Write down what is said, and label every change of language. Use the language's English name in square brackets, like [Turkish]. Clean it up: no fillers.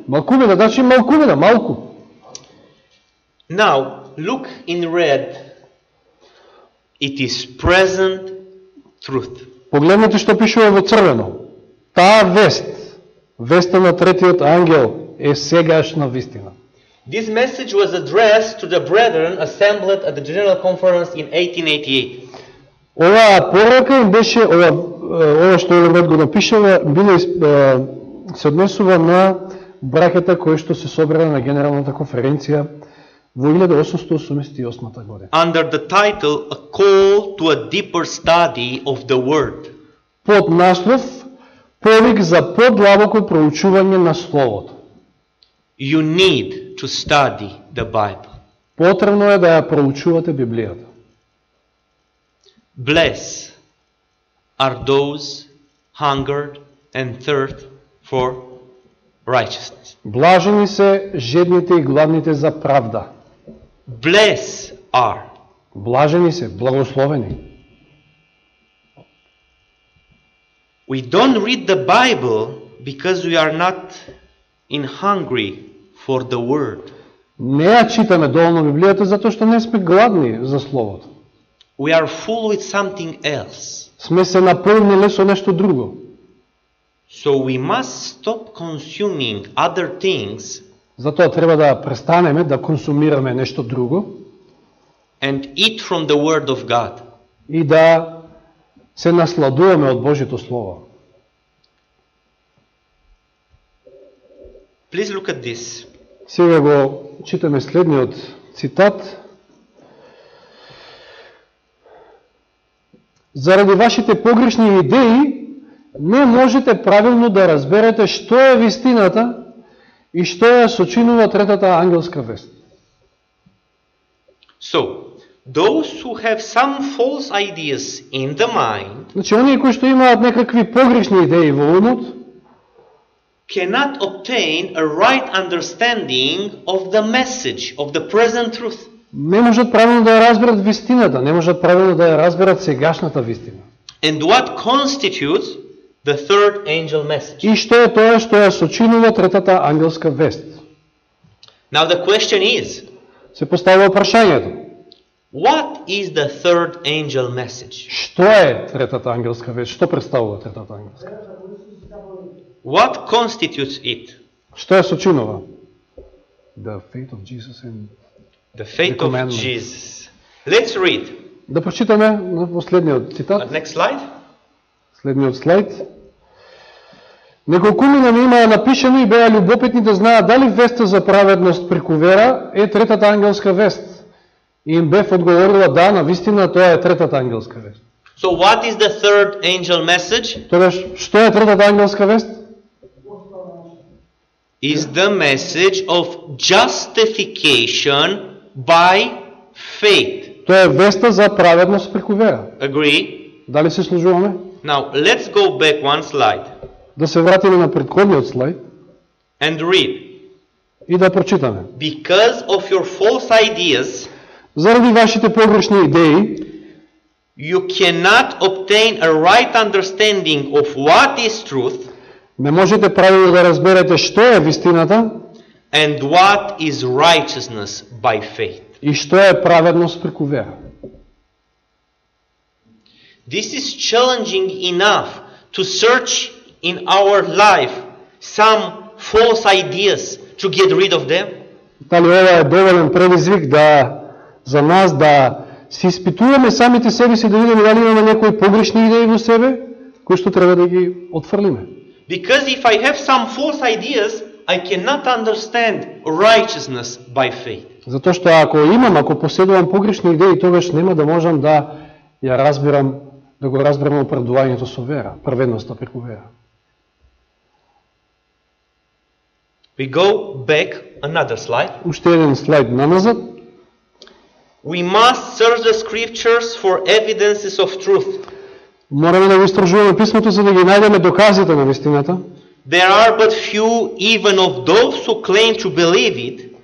[Macedonian] Малкумина, значи малкумина, малку. [English] Now, look in red. It is present truth. [Macedonian] Погледнете што пишува во црвено. Таа вест, веста на третиот ангел, е сегашна вистина. [English] This message was addressed to the brethren assembled at the General Conference in 1888. [Macedonian] Ова порака им беше, ова што Елен го напишува, било се однесува на браката кои што се собрале на Генералната конференција во 1888 година. [English] Under the title A Call to a Deeper Study of the Word. [Macedonian] Под наслов повик за подлабоко проучување на Словото. [English] You need to study the Bible. [Macedonian] Потребно е да ја проучувате Библијата. [English] Blessed are those hungered and thirst for righteousness. [Macedonian] Блажени се жедните и гладните за правда. [English] Blessed are. [Macedonian] Блажени се, благословени. [English] We don't read the Bible because we are not in hungry for the word. [Macedonian] Не ја читаме доволно Библијата затоа што не сме гладни за Словото. [English] We are full with something else. [Macedonian] Сме се напълнили со нешто друго. [English] So we must stop consuming other things. [Macedonian] Затоа треба да престанеме да консумираме нешто друго. [English] And eat from the word of God. [Macedonian] И да се насладуваме од Божјето слово. [English] Please look at this. [Macedonian] Сега го читаме следниот цитат. Заради вашите погрешни идеи не можете правилно да разберете што е вистината и што ја сочинува третата ангелска вест. [English] So, those who have some false ideas in the mind, [Macedonian] значи оние кои што имаат некакви погрешни идеи во умот, [English] cannot obtain a right understanding of the message of the present truth. [Macedonian] Не можат правилно да ја разберат вистината, не можат правилно да ја разберат сегашната вистина. [English] And what constitutes the third angel message? [Macedonian] И што е тоа што ја сочинува третата ангелска вест? [English] Now the question is, [Macedonian] се поставува прашањето. [English] What is the third angel message? [Macedonian] Што е третата ангелска вест? Што представува третата ангелска? [English] What constitutes it? [Macedonian] Што ја сочинува? [English] The fate of Jesus and the fate of Jesus. Let's read. [Macedonian] Да прочитаме на последниот цитат. [English] Next slide. [Macedonian] Следниот слайд. Неколкумина не имаја напишено и беа любопитни да знаат дали веста за праведност преку вера е третата ангелска вест. И им бев одговорила да, на вистина тоа е третата ангелска вест. [English] So what is the third angel message? [Macedonian] Тогаш, што е третата ангелска вест? [English] Is the message of justification by faith. [Macedonian] Тоа е веста за праведност преку вера. [English] Agree? [Macedonian] Дали се сложуваме? [English] Now, let's go back one slide. [Macedonian] Да се вратиме на предходниот слайд. [English] And read. [Macedonian] И да прочитаме. [English] Because of your false ideas, [Macedonian] заради вашите погрешни идеи, [English] you cannot obtain a right understanding of what is truth. [Macedonian] Не можете правилно да разберете што е вистината. [English] And what is righteousness by faith. [Macedonian] И што е праведност преку вера. [English] This is challenging enough to search in our life some false ideas to get rid of them. [Macedonian] Дали ова е доволен предизвик да за нас да се испитуваме самите себе си да видиме дали имаме некои погрешни идеи во себе кои што треба да ги отфрлиме. [English] Because if I have some false ideas, I cannot understand righteousness by faith. [Macedonian] Затоа што ако имам, ако поседувам погрешни идеи, тогаш нема да можам да ја разберам да го разбереме оправдувањето со вера, праведноста преку вера. [English] We go back another slide. [Macedonian] Уште еден слайд наназад. [English] We must search the scriptures for evidences of truth. [Macedonian] Мораме да го истражуваме писмото за да ги најдеме доказите на вистината. [English] There are but few even of those who claim to believe it.